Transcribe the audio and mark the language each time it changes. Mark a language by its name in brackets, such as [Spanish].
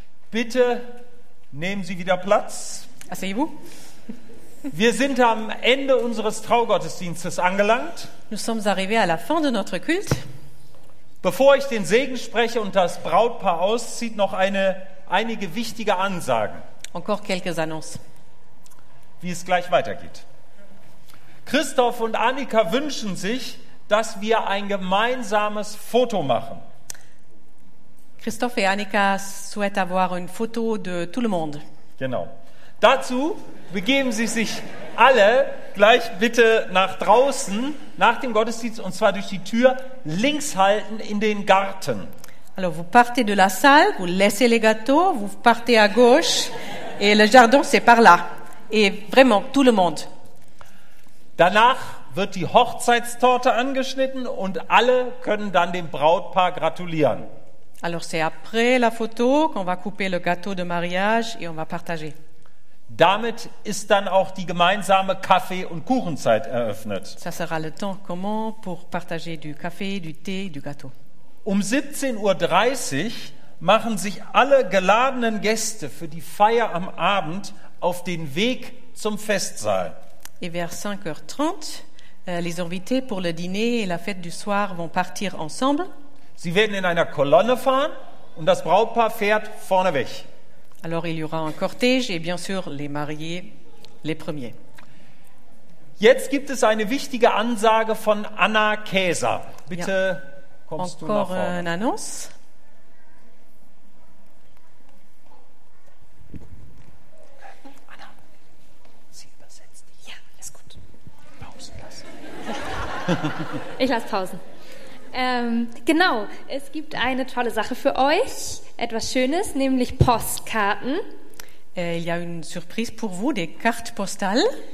[German] Bitte nehmen Sie wieder Platz. [French] Asseyez-vous. [German] Wir sind am Ende unseres Traugottesdienstes angelangt. [French] Nous sommes arrivés à la fin de notre culte. [German] Bevor ich den Segen spreche und das Brautpaar auszieht, noch einige wichtige Ansagen. [French] Encore quelques annonces. [German] Wie es gleich weitergeht. Christoph und Annika wünschen sich, dass wir ein gemeinsames Foto machen. [French] Christoph et Annika souhaitent avoir une photo de tout le monde. [German] Genau. Dazu begeben Sie sich alle gleich bitte nach draußen, nach dem Gottesdienst, und zwar durch die Tür links halten in den Garten. [French] Alors, vous partez de la salle, vous laissez les gâteaux, vous partez à gauche, et le jardin, c'est par là. Et vraiment, tout le monde. [German] Danach wird die Hochzeitstorte angeschnitten und alle können dann dem Brautpaar gratulieren. [French] Alors c'est après la photo qu'on va couper le gâteau de mariage et on va partager. [German] Damit ist dann auch die gemeinsame Kaffee- und Kuchenzeit eröffnet. [French] Ça sera le temps commun pour partager du café, du thé, du gâteau. [German] Um 17.30 Uhr machen sich alle geladenen Gäste für die Feier am Abend auf den Weg zum Festsaal. [French] Et vers 5h30, les invités pour le dîner et la fête du soir vont partir ensemble. [German] Sie werden in einer Kolonne fahren und das Brautpaar fährt vorne weg. [French] Alors il y aura un cortège et bien sûr les mariés les premiers. [German] Jetzt gibt es eine wichtige Ansage von Anna Käser. Bitte ja. Kommst [French] Encore [German] du nach vorne. [French] Encore une annonce. [German] Anna, sie übersetzt. Ja, ist gut. Pausen lassen. Ich lasse Pausen. Genau, es gibt eine tolle Sache für euch, etwas Schönes, nämlich Postkarten. [French] Il y a une surprise pour vous, des cartes postales.